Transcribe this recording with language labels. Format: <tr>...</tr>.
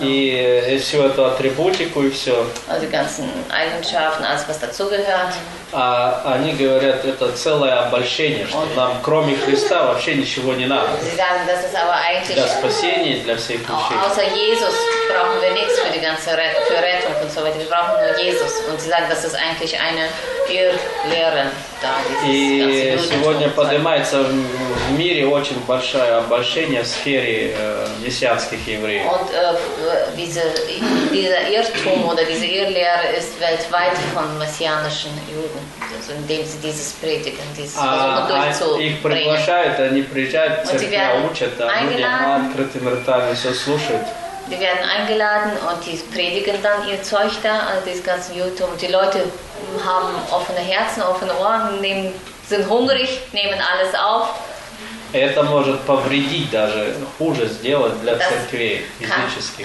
<ru>И всю эту атрибутику и все.</ru> <de>Also die ganzen Eigenschaften, alles was dazugehört.</de> <ru>А они говорят, это целое обольщение, что нам кроме Христа вообще ничего не надо. Для спасения, для всех вещей.</ru> <de>Außer Jesus brauchen wir nichts für die ganze Rettung und so weiter. Wir brauchen nur Jesus. Und sie sagen, das ist eigentlich eine Irrlehre.</de> <ru>И сегодня поднимается в мире очень большое обольщение в сфере мессианских евреев.</ru> <de>Und dieser Irrtum oder diese Irrlehre ist weltweit von messianischen Juden, also indem sie dieses predigen, dieses durchzubringen.</de> <ru>Их приглашают, они приезжают, церкви учат, а люди открытыми ртами все слушают.</ru> <de>Die werden eingeladen und die predigen dann ihr Zeug da, also dieses ganze YouTube. Die Leute haben offene Herzen, offene Ohren, sind hungrig, nehmen alles auf.</de> <ru>Это может повредить даже, хуже сделать для церквей физически.</ru>